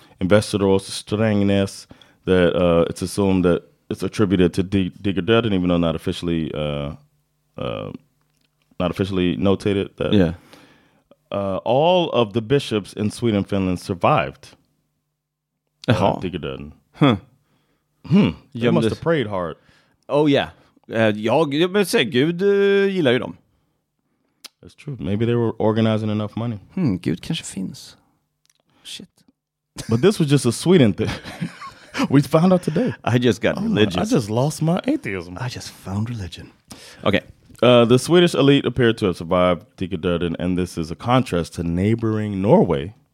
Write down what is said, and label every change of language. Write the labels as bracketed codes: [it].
[en] Investors, Strängnäs, that it's assumed that it's attributed to Digerdöden, even though not officially notated. That, yeah. All of the bishops in Sweden and Finland survived Digerdöden. Huh. Hmm. They must have prayed hard. Oh, yeah. [sv] Jag vill säga, Gud gillar ju dem. [en] That's true. Maybe they were organizing enough money. [sv] Gud kanske finns. Shit. [en] But this was just a Sweden thing. We found out today. I just got religious. I just lost my atheism. I just found religion. Okay. The Swedish elite appear to have survived Tiki Durden, and this is a contrast to neighboring Norway,